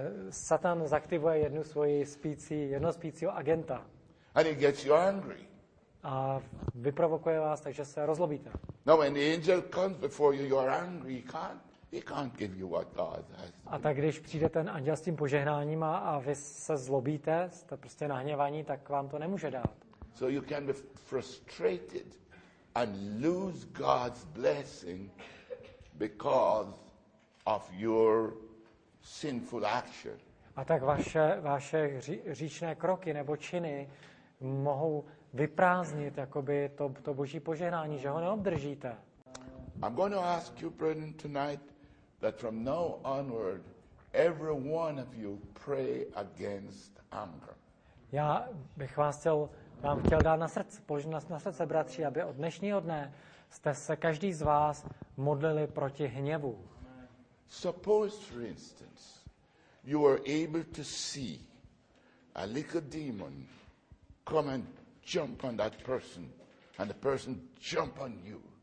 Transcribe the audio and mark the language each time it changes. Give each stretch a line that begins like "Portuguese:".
Czech: Satan zaktivuje jednu svoji spící, jedno spícího agenta.
English: And he gets you angry.
Czech: A vyprovokuje vás, takže se rozlobíte.
English: No, when the angel comes before you, you are angry. He can't give you what God has.
Czech: A tak když přijde ten anděl s tím požehnáním a vy se zlobíte, jste prostě nahněvaní, tak vám to nemůže dát.
English: So you can be frustrated and lose God's blessing because of your sinful action.
Czech: A tak vaše hříšné kroky nebo činy mohou vyprázdnit jakoby to boží požehnání, že ho neobdržíte.
English: I'm going to ask you, brethren, tonight that from now onward every one of you pray against anger.
Czech: Já bych vám chtěl dát na srdce, bratři, aby od dnešního dne jste se každý z vás modlili proti hněvu.
English: Suppose, for instance, you were able to see a little demon come and jump on that person, and the person jump on you.